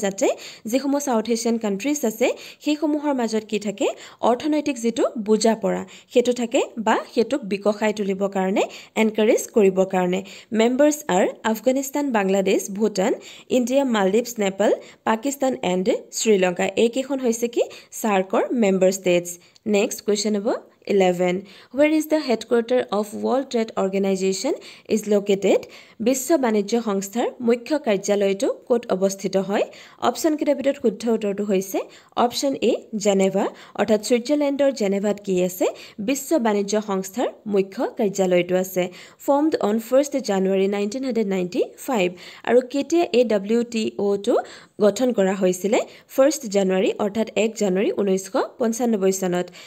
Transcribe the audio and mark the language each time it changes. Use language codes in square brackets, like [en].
[as] যাতে যিসমূহ south Asian countries আছে সেইসমূহৰ মাজত কি থাকে, অৰ্থনৈতিক যিটো বুজাপৰা সেইটো থাকে, বা সেইটোক বিকশাই তুলিবৰ কাৰণে, এনকাৰেজ কৰিবৰ কাৰণে। [en] Members are Afghanistan, Bangladesh, Bhutan, India, Maldives, Nepal, Pakistan and Sri Lanka. [as] এইকেইখন হৈছে কি, ছাৰ্কৰ মেম্বাৰ ষ্টেটছ। [en] next question [as] হ'ব [en] 11. Where is the headquarter of World Trade Organization is located? [as] বিশ্ব বাণিজ্য সংস্থাৰ মুখ্য কাৰ্যালয়টো ক'ত অৱস্থিত হয়? অপশ্যনকেইটাৰ ভিতৰত শুদ্ধ উত্তৰটো হৈছে অপশ্যন এ জেনেভা, অৰ্থাৎ ছুইজাৰলেণ্ডৰ জেনেভাত কি আছে, বিশ্ব বাণিজ্য সংস্থাৰ মুখ্য কাৰ্যালয়টো আছে। [en] formed on 1st January 1995, [as] আৰু কেতিয়া এই WTOটো গঠন কৰা হৈছিলে, 1st January, অৰ্থাৎ 1 January 1995 চনত।